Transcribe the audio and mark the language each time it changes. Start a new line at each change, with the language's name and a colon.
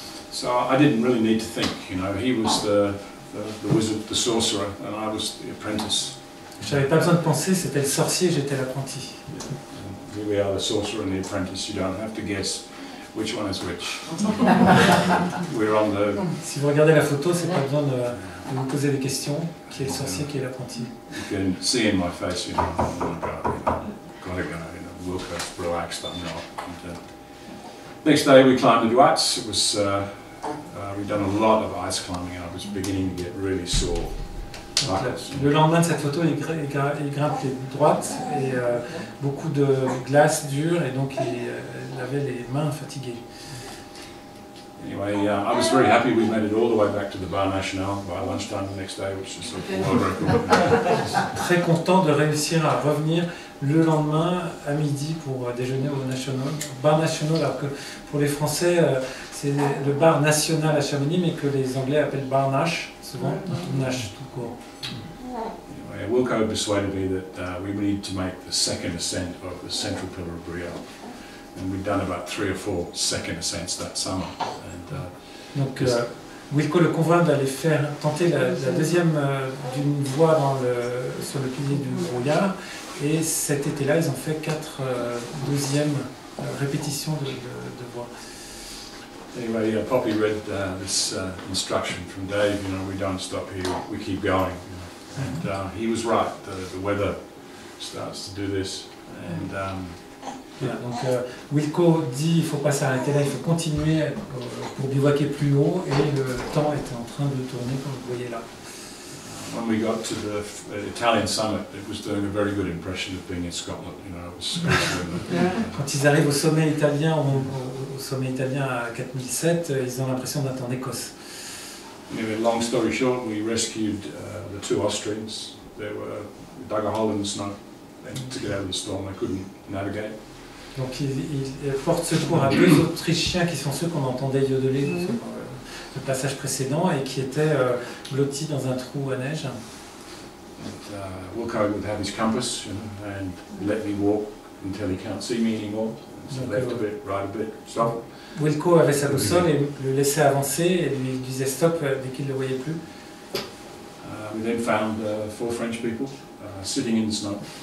English: So I didn't really need to think, you know. He was the wizard, the sorcerer, and I was the apprentice.
French: J'avais pas besoin de penser, c'était le sorcier, j'étais l'apprenti.
English: Here we are, the sorcerer and the apprentice. You don't have to guess which one is which. We're on the.
French: Si vous regardez la photo, c'est pas besoin de vous poser des questions. Qui est le sorcier, qui est l'apprenti?
English: You can see in my face, you know, I'm going to go, you know, look, relax, I'm not. And, next day, we climbed the Duats. It was we've done a lot of ice climbing, and I was beginning to get really sore.
French: Le lendemain de cette photo, il grimpe les droites et beaucoup de glace dure et donc il avait les mains fatiguées.
English: Anyway, I was very happy we made it all the way back to the Bar National by lunchtime the next day, which is a world record.
French: Très content de réussir à revenir le lendemain à midi pour déjeuner au National. Bar National, alors que pour les Français, c'est le Bar National à Chamonix, mais que les Anglais appellent Bar Nash, souvent, Nash tout court.
English: Anyway, Wilco persuaded me that we need to make the second ascent of the Central Pillar of Briel. And we'd done about three or four second ascents that summer. And,
French: donc, Wilco le convainc d'aller faire tenter la deuxième d'une voie sur le pilier du brouillard. Et cet été-là, ils ont fait quatre deuxièmes répétitions de voie.
English: Anyway, yeah, Poppy read this instruction from Dave, you know, we don't stop here, we keep going. You know. And he was right, the weather starts to do this. And,
French: Donc Wilco dit il ne faut pas s'arrêter là, il faut continuer pour bivouaquer plus haut, et le temps était en train de tourner, comme vous voyez là.
English: When we got to the Italian summit, it was doing a very good impression of being in Scotland. You know, it was
French: quand ils arrivent au sommet italien, à 4007, ils ont l'impression d'être en Écosse.
English: Anyway, long story short, we rescued the two Austrians. They were dug a hole in the snow and to get out of the storm. They couldn't navigate.
French: Donc ils portent secours à deux Autrichiens qui sont ceux qu'on entendait yodeler. Le passage précédent et qui était blotti dans un trou à neige.
English: And, Wilco would have his compass, you know, and let me walk until he can't see me anymore. So left a bit, right a bit, stop.
French: Wilco avait sa boussole et le laissait avancer et lui disait stop dès qu'il ne le voyait plus.
English: We then found four French people sitting in the snow.